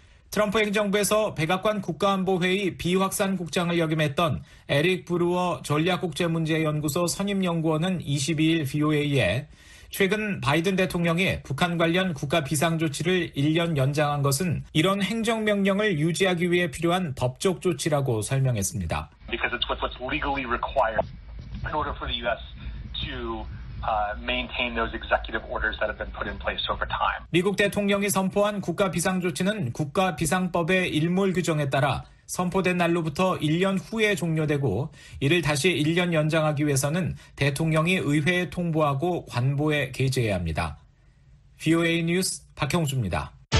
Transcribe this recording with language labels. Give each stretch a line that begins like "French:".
Korean: 트럼프 행정부에서 백악관 국가안보회의 비확산 국장을 역임했던 에릭 브루어 전략국제문제연구소 선임연구원은 22일 VOA에 최근 바이든 대통령이 북한 관련 국가 비상조치를 1년 연장한 것은 이런 행정명령을 유지하기 위해 필요한 법적 조치라고 설명했습니다.
English: Because it's what's legally required in order for the U.S. to maintain those executive orders that have been put in place over time.
Korean: 미국 대통령이 선포한 국가 비상조치는 국가 비상법의 일몰 규정에 따라 선포된 날로부터 1년 후에 종료되고 이를 다시 1년 연장하기 위해서는 대통령이 의회에 통보하고 관보에 게재해야 합니다. VOA 뉴스 박형수입니다.